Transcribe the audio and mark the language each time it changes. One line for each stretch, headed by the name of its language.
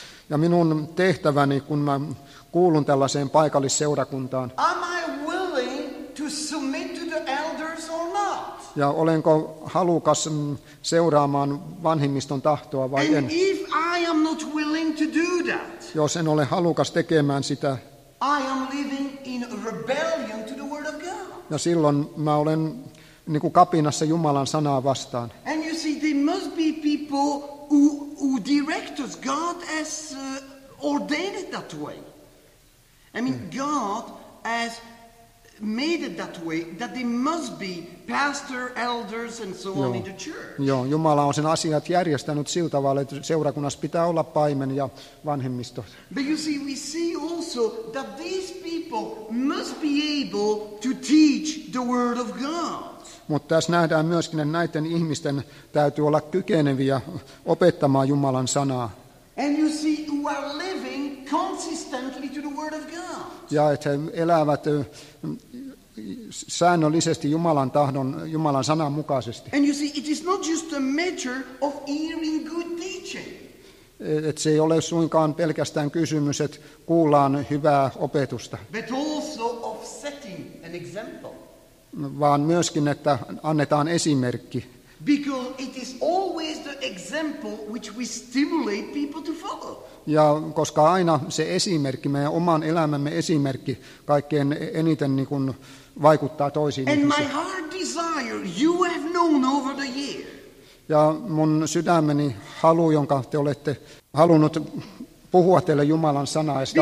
Finnish: Ja minun tehtäväni, kun mä kuulun tällaiseen paikallisseurakuntaan.
English: Am I willing to submit to the elders or not?
Finnish: Ja olenko halukas seuraamaan vanhimmiston tahtoa vai
English: and
Finnish: en?
English: If I am not willing to do that,
Finnish: jos en ole halukas tekemään sitä,
English: I am living in rebellion to the word of God.
Finnish: Ja silloin mä olen niin kuin kapinassa Jumalan sanaa vastaan.
English: And you see, there must be people who directs God has ordained it that way. I mean, God has made it that way, that there must be pastor, elders and so on in the church.
Finnish: Joo, Jumala on sen asiat järjestänyt sillä tavalla, että seurakunnassa pitää olla paimen ja vanhemmisto.
English: But you see, we see also that these people must be able to teach the word of God.
Finnish: Mutta tässä nähdään myöskin, että näiden ihmisten täytyy olla kykeneviä opettamaan Jumalan sanaa.
English: And you see, you are living consistently to the word of God.
Finnish: Ja että he elävät säännöllisesti Jumalan tahdon, Jumalan sanan mukaisesti.
English: And you see, it is not just a matter of hearing good teaching.
Finnish: Et se ei ole suinkaan pelkästään kysymys, että kuullaan hyvää opetusta.
English: But also of setting an example.
Finnish: Vaan myöskin, että annetaan esimerkki.
English: Because it is always the example which we stimulate people to follow.
Finnish: Ja koska aina se esimerkki, meidän oman elämämme esimerkki, kaikkein eniten niin kuin vaikuttaa toisiin.
English: And my heart desire you have known over the years.
Finnish: Ja mun sydämeni halu, jonka te olette halunnut puhua teille Jumalan sanaa ja sitä